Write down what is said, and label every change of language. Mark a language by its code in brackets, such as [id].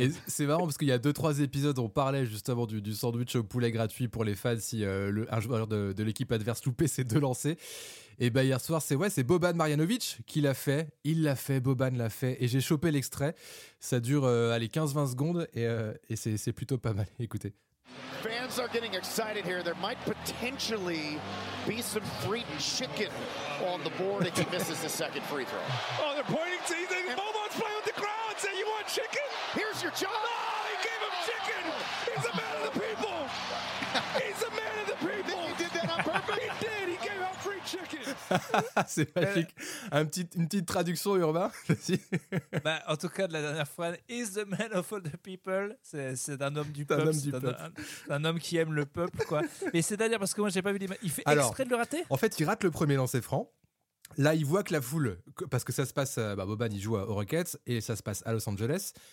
[fr] Et c'est marrant parce qu'il y a 2-3 épisodes, on parlait justement du sandwich au poulet gratuit pour les fans si un joueur de l'équipe adverse loupait ses deux lancers. Et bah hier soir, c'est Boban Marjanovic qui l'a fait. Il l'a fait, Boban l'a fait. Et j'ai chopé l'extrait. Ça dure 15-20 secondes et c'est plutôt pas mal. Écoutez. [en] Fans are getting excited here. There might potentially be some frites chicken on the board if he misses the second free throw. Oh, they're pointing to you. Chicken? Here's your job. No, he gave him chicken. He's a man of the people. He's a man of the people. Think he did that on purpose? He did. He gave out free chicken. [fr] C'est magique. Une petite traduction, Urbain. Bah, en tout cas, de la dernière fois, [en] he's the man of all the people. [fr] C'est d'un homme du peuple. Un homme qui aime le peuple, quoi. Mais c'est d'ailleurs parce que moi, j'ai pas vu l'image. Il fait exprès de le rater. En fait, il rate le premier lancer franc. Là, il voit que la foule, parce que ça se passe, Boban, il joue aux Rockets et ça se passe à Los Angeles.